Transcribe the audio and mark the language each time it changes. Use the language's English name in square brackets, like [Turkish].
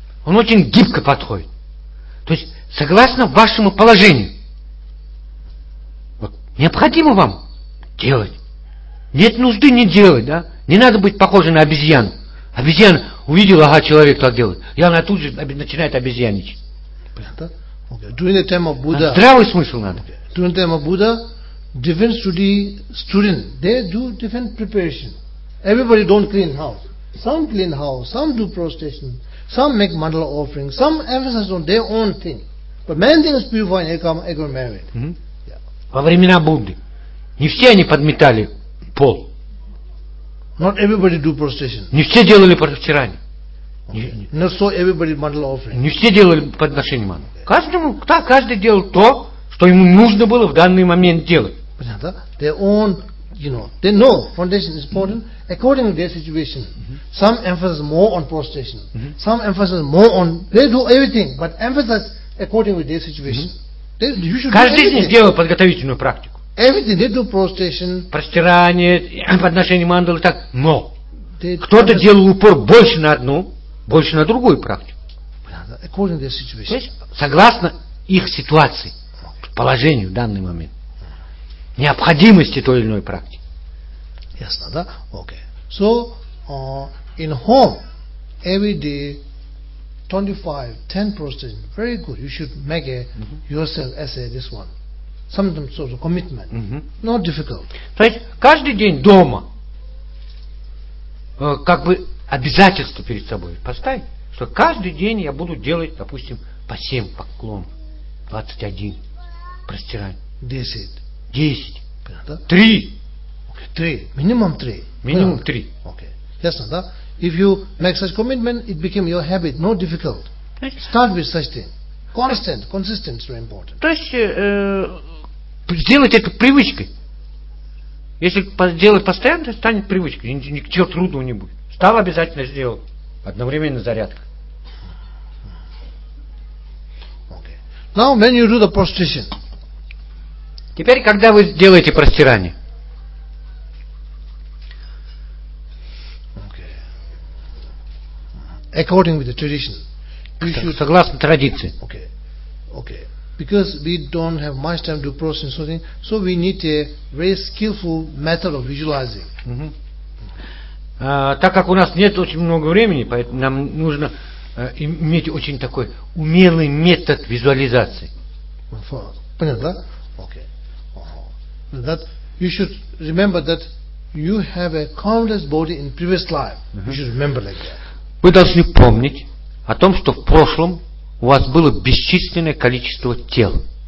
[Russian] Он очень гибко подходит. То есть, согласно вашему положению, вот, необходимо вам делать. Нет нужды не делать, да? Не надо быть похожим на обезьяну. Обезьяна увидела, ага, человек так делает. И она тут же начинает обезьяничать. Понятно? [English] Okay. During the time of Buddha, [Russian] здравый смысл надо. [English] During the time of Buddha, different student, they do different preparation. Everybody don't clean house. Some clean house, some do prostration, some make mandala offering, some emphasize on their own thing. But main thing is purify and become equal merit. [Russian] Во времена Будды не все они подметали пол. [English] Not everybody do prostration. [Russian] Не все делали протирание. [English] Okay. Not so everybody mandala offering. [Russian] Не все делали подношение мандалы. Каждому, да, каждый делал то, что ему нужно было в данный момент делать. Понятно? [English] Their own, you know, they know foundation is important according to their situation. Some emphasize more on prostration. Some emphasize more on, they do everything, but emphasize according to their situation. They, you should [Russian] каждый из них делал подготовительную практику. [English] Everything, they do prostration. [Russian] Простирание, подношение мандалы, так, но. Кто-то делал упор больше на одну, больше на другую практику. [English] According to their situation. [Russian] Есть, согласно их ситуации, положению в данный момент, необходимости той или иной практики. Ясно, да? [English] Okay. So, in home, every day, 25, 10 prostration, very good. You should make a, yourself essay this one. Some sort of commitment. Not difficult. [Russian] То есть, каждый день дома, как бы обязательство перед собой поставить, что каждый день я буду делать, допустим, по 7 поклонов. 21. Простирание. 10. 10. 3. 3. Минимум 3. Минимум 3. Окей. Ясно, да? [English] If you make such commitment, it became your habit. No difficult. Start with such thing. Constant. Consistent is very important. [Russian] То есть, сделать это привычкой. Если делать постоянно, станет привычкой. Ничего трудного не будет. Стал обязательно сделать. Одновременно зарядка. [English] Okay. Now when you do the prostration. [Russian] Теперь, когда вы делаете простирание. [English] Okay. According with the tradition. [Russian] Согласно традиции. [English] Okay. Okay. Because we don't have much time to process something, so we need a very skillful method of visualizing. [Russian] Так как у нас нет очень много времени, поэтому нам нужно иметь очень такой умелый метод визуализации. Понятно, да? [English] Okay. That you should remember that you have a countless body in previous life. You should remember like that. [Russian] Вы должны помнить о том, что в прошлом у вас было бесчисленное количество тел.